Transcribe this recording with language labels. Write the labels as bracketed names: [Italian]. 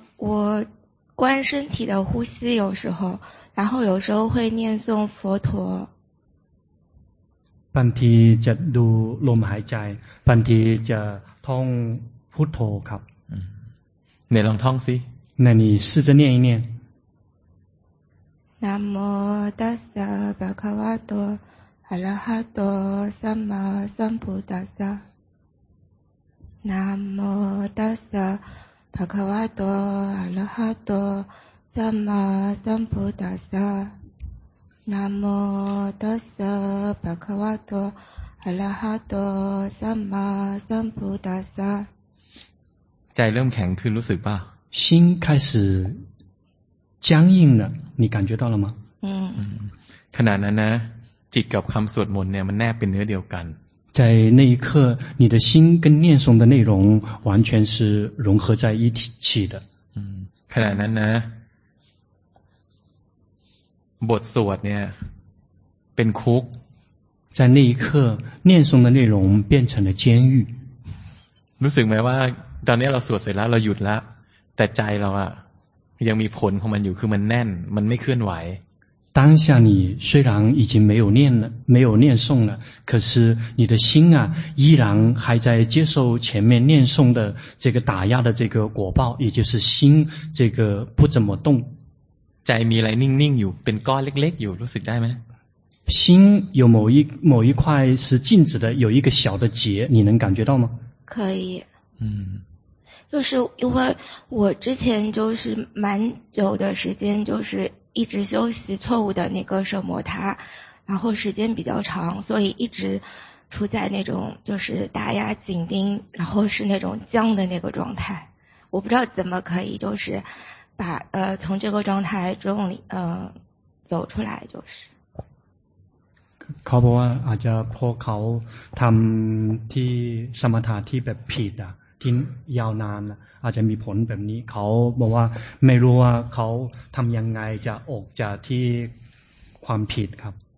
[Chinese] 我观身体的呼吸有时候然后有时候会念诵佛陀 [Thai] บางทีจะดูลมหายใจบางทีจะท่องพุทโธครับ ไหนลองท่องสิ [Chinese] 那你试着念一念 [Pali] นะโมตัสสะภะคะวะโตอะระหะโตสัมมาสัมพุทธัสสะนะโมตัสสะภะคะวะโตอะระหะโตสัมมาสัมพุทธัสสะนะโมตัสสะภะคะวะโตอะระหะโตสัมมาสัมพุทธัสสะ [Thai] ใจเริ่มแข็งขึ้นรู้สึกป่ะ [Chinese] 心开始僵硬了你感觉到了吗 [Thai] ขณะนั้นนะจิตกับคําสวดมนต์เนี่ยมันแนบเป็นเนื้อเดียวกัน [Chinese] 在那一刻你的心跟念诵的内容完全是融合在一起的 [Thai] ขณะนั้นนะบทสวดเนี่ยเป็นคุก [Chinese] 在那一刻念诵的内容变成了监狱 [Thai] รู้สึกไหมว่าตอนนี้เราสวดเสร็จแล้วเราหยุดแล้วแต่ใจเราอะยังมีผลของมันอยู่คือมันแน่นมันไม่เคลื่อนไหว [Chinese] 当下你虽然已经没有念了没有念诵了可是你的心啊依然还在接受前面念诵的这个打压的这个果报也就是心这个不怎么动 [Thai] ใจมีอะไรนิ่งๆอยู่เป็นก้อนเล็กๆอยู่รู้สึกได้ไหม [Chinese] 心有某一块是静止的有一个小的结你能感觉到吗可以就是因为我之前就是蛮久的时间就是一直修习错误的那个舍摩他，然后时间比较长，所以一直处在那种就是打压紧盯，然后是那种僵的那个状态。我不知道怎么可以就是把从这个状态中走出来就是。 [Thai] เขาบอกว่าอาจจะพอเขาทำที่สมถะที่แบบผิดอ่ะที่ยาวนานอาจจะมีผลแบบนี้เขาบอกว่าไม่รู้ว่าเขาทำยังไงจะออกจากที่ความผิดครับ